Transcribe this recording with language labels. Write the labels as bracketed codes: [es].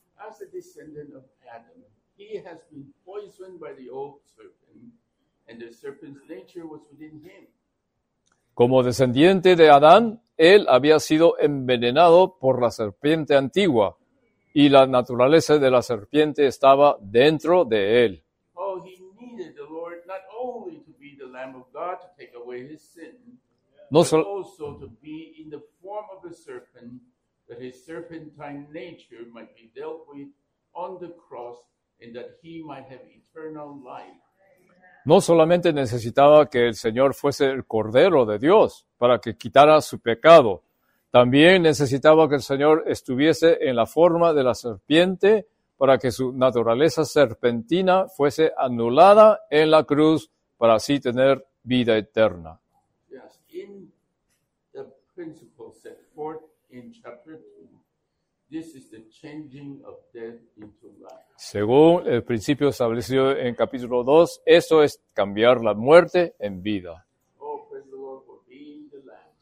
[en] As a descendant of Adam, he has been poisoned by the old serpent, and the serpent's nature was within him. [es] Como descendiente de Adán, él había sido envenenado por la serpiente antigua. Y la naturaleza de la serpiente estaba dentro de él. [en] Oh, he needed the Lord not only to be the Lamb of God to take away his sin, but also to be in the form of a serpent, that his serpentine nature might be dealt with on the cross, and that he might have eternal life. [es] No solamente necesitaba que el Señor fuese el Cordero de Dios para que quitara su pecado. También necesitaba que el Señor estuviese en la forma de la serpiente para que su naturaleza serpentina fuese anulada en la cruz para así tener vida eterna. [en] Yes, in the principle set forth in chapter 2, this is the changing of death into life. [es] Según el principio establecido en capítulo 2, eso es cambiar la muerte en vida. [en] Oh, praise the Lord for being the Lamb.